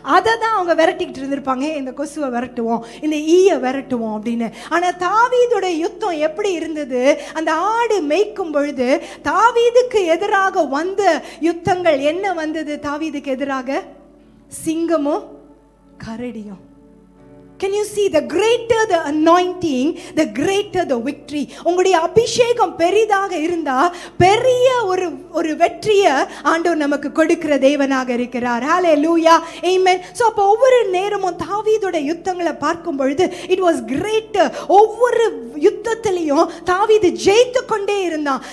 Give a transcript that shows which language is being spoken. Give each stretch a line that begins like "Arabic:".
Tamil: அதை தான் அவங்க விரட்டிக்கிட்டு இருந்திருப்பாங்க, இந்த கொசுவை விரட்டுவோம், இந்த ஈய விரட்டுவோம் அப்படின்னு. ஆனா தாவீதுடைய யுத்தம் எப்படி இருந்தது? அந்த ஆடு மேய்க்கும் பொழுது தாவீது எதிராக வந்த யுத்தங்கள் என்ன வந்தது? தாவீதுக்கு எதிராக சிங்கமும் கரடியும்.
English: Can you see, the greater the anointing, the greater the victory.
Tamil: உங்களுடைய அபிஷேகம் பெரிதாக இருந்தா பெரிய ஒரு ஒரு வெற்றிய ஆண்டவர் நமக்கு கொடுக்கிற தேவனாக இருக்கிறார். Hallelujah. Amen. So அப்ப ஒவ்வொரு நேரமும் தாவீதுடைய யுத்தங்களை பார்க்கும் பொழுது
English: It was greater.
Tamil: ஒவ்வொரு யுத்தத்திலையும் தாவீது ஜெயித்து கொண்டே இருந்தான்.